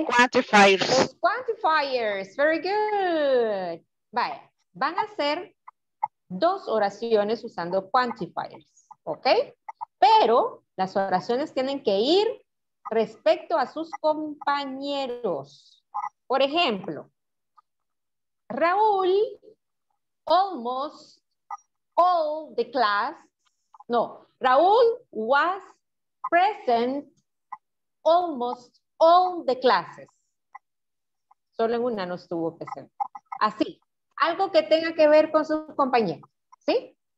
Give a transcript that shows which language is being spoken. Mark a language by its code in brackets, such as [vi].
[es] Los [en] quantifiers. Very good. [es] Vale. Van a hacer dos oraciones usando quantifiers. ¿Ok? Pero las oraciones tienen que ir respecto a sus compañeros. Por ejemplo, [en] Raúl almost all the class, [es] no, [en] Raúl was present almost all the classes. [es] Solo en una no estuvo presente. Así, algo que tenga que ver con sus compañeros, ¿sí?